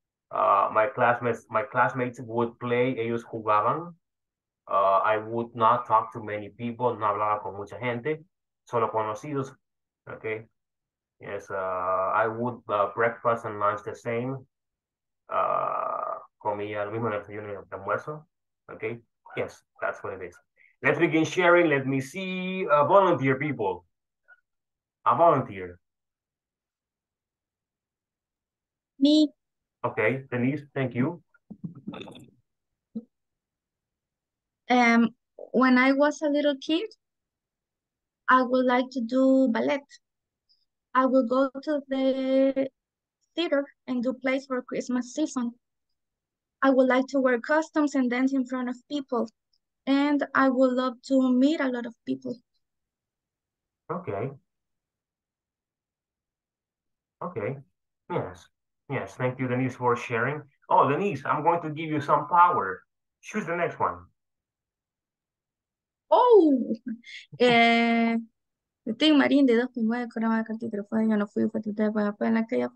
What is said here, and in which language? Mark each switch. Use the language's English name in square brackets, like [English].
[English] My classmates would play, [Spanish] ellos jugaban. [English] I would not talk to many people, [Spanish] no hablaba con mucha gente, solo conocidos. [English] Okay. Yes, I would breakfast and lunch the same. [Spanish] Comía lo mismo en el desayuno y el almuerzo. [English] Okay. Yes, that's what it is. Let's begin sharing. Let me see volunteer people. A volunteer. Me. Okay, Denise, thank you. When I was a little kid, I would like to do ballet. I would go to the theater and do plays for Christmas season. I would like to wear costumes and dance in front of people. And I would love to meet a lot of people. Okay, yes. Yes, thank you, Denise, for sharing. Oh, Denise, I'm going to give you some power. Choose the next one. Oh, estoy Marín de 2009, coronada de cartel, pero fue yo no fui, fue tu tema, fue en aquella.